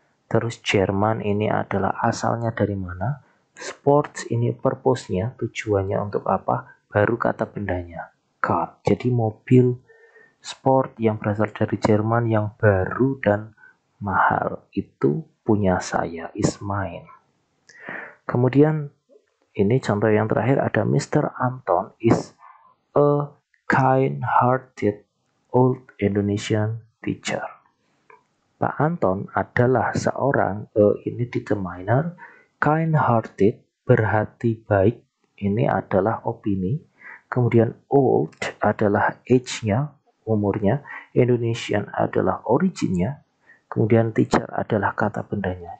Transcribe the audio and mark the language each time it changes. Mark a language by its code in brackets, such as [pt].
[id] Terus German ini adalah asalnya dari mana? Sports ini purpose-nya, tujuannya untuk apa? Baru kata bendanya, car. Jadi mobil sport yang berasal dari Jerman yang baru dan mahal itu punya saya, [en] is mine. [id] Kemudian ini contoh yang terakhir ada Mr. [en] Anton is a kind-hearted old Indonesian teacher. [id] Pak Anton adalah seorang, ini determiner, kind-hearted, berhati baik, ini adalah opini. Kemudian old adalah age-nya, umurnya. Indonesian adalah origin-nya. Kemudian teacher adalah kata bendanya.